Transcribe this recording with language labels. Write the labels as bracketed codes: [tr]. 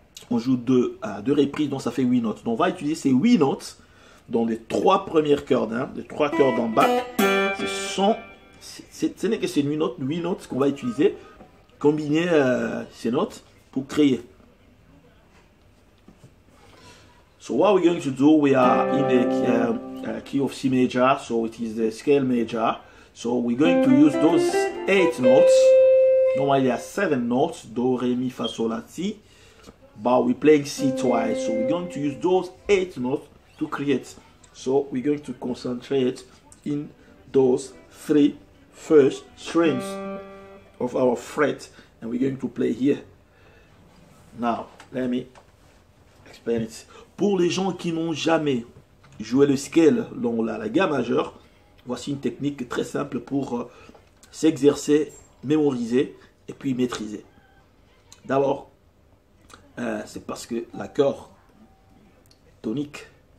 [fr] On joue deux reprises, donc ça fait 8 notes. Donc on va utiliser ces 8 notes. Dans les trois premières cordes, hein, les trois cordes en bas, ce n'est que 8 notes qu'on va utiliser, combiner ces notes pour créer. [en] So what we're going to do, we are in the key of C major, so it is the scale major. So we're going to use those 8 notes. Normally there are 7 notes, Do, Ré, Mi, Fa, Sol, La, Si. But we're playing C twice, so we're going to use those 8 notes to create. So we're going to concentrate in those three first strings of our fret, and we're going to play here. Now, let me explain it. [fr] Pour les gens qui n'ont jamais joué le scale, dont la gamme majeure, voici une technique très simple pour s'exercer, mémoriser et puis maîtriser. D'abord, c'est parce que l'accord tonique.